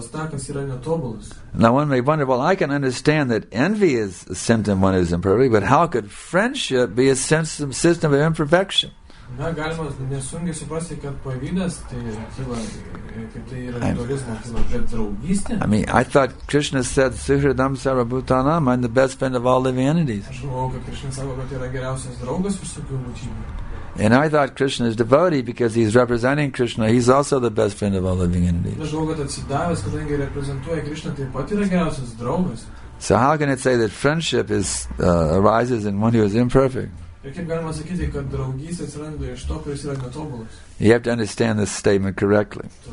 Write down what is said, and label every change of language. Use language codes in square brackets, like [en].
[en] Now one may wonder, well, I can understand that envy is a symptom of one who is imperfect, but how could friendship be a system of imperfection? [lt] Na, galima nesungiai suprasti, kad pavydas, tai yra dualizmas, bet draugystė. [en] I mean, I thought Krishna said, [sa] Suhridam Sarabhutanam, [en] I'm the best friend of all living entities. [lt] Aš galvojau, kad Krishna sako, kad yra geriausias draugas visų gyvūnų. [en] And I thought Krishna is devotee because he's representing Krishna. He's also the best friend of all living entities. [lt] Aš galvojau, kad atsidavęs, kadangi reprezentuoja Krishna, taip pat yra geriausias draugas. [en] So how can it say that friendship arises in one who is imperfect? You have to understand this statement correctly.